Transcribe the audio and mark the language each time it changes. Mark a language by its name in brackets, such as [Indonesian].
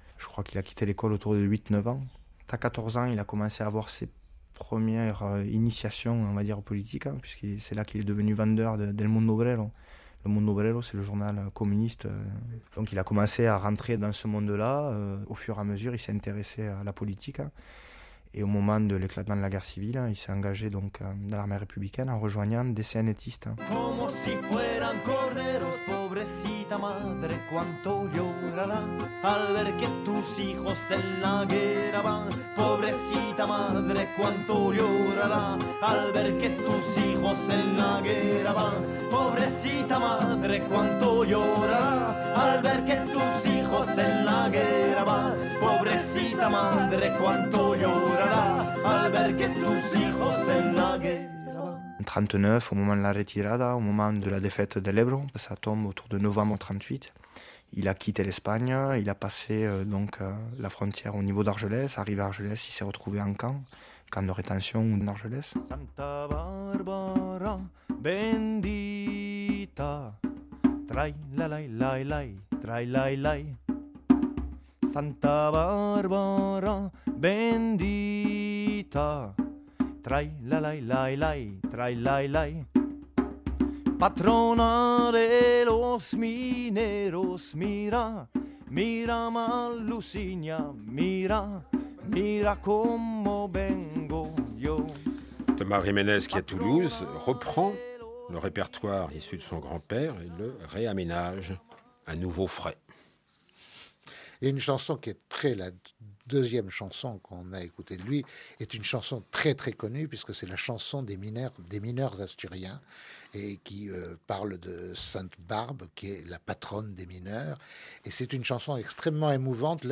[French] Je crois qu'il a quitté l'école autour de 8-9 ans. À 14 ans, il a commencé à avoir ses premières initiations, on va dire, politiques, hein, puisque c'est là qu'il est devenu vendeur d'El Mundo Obrero. Le Mundo Obrero, c'est le journal communiste. Donc il a commencé à rentrer dans ce monde-là. Au fur et à mesure, il s'est intéressé à la politique. Hein. Et au moment de l'éclatement de la guerre civile, il s'est engagé donc dans l'armée républicaine en rejoignant des CNTistes. [Spanish] Como si fueran corderos, pobrecita madre, cuanto llorará al ver que tus hijos en la guerra van. Pobrecita madre, cuanto llorará al ver que tus hijos en la guerra van. Pobrecita madre, cuanto llorará al ver que tus hijos en la guerra van. Pobrecita madre, cuanto llorará al ver que tus hijos en la guerra. [French] En 1939, au moment de la retirada, au moment de la défaite de l'Ebro, ça tombe autour de novembre 1938, il a quitté l'Espagne, il a passé la frontière au niveau d'Argelès, arrivé à Argelès, il s'est retrouvé en camp de rétention d'Argelès. [Spanish] Santa Barbara, bendita, trai-la-lai-lai-lai, trai-lai-lai. Santa Barbara, bendita. Trai la lai lai lai, trai lai lai. Patrona de los mineros, mira, mira Malusiña, mira, mira como vengo yo. [French] Thomas Jiménez, qui est à Toulouse, reprend le répertoire issu de son grand-père et le réaménage à nouveau frais. Et une chanson qui est très deuxième chanson qu'on a écoutée de lui est une chanson très très connue puisque c'est la chanson des mineurs asturiens et qui parle de Sainte Barbe qui est la patronne des mineurs et c'est une chanson extrêmement émouvante.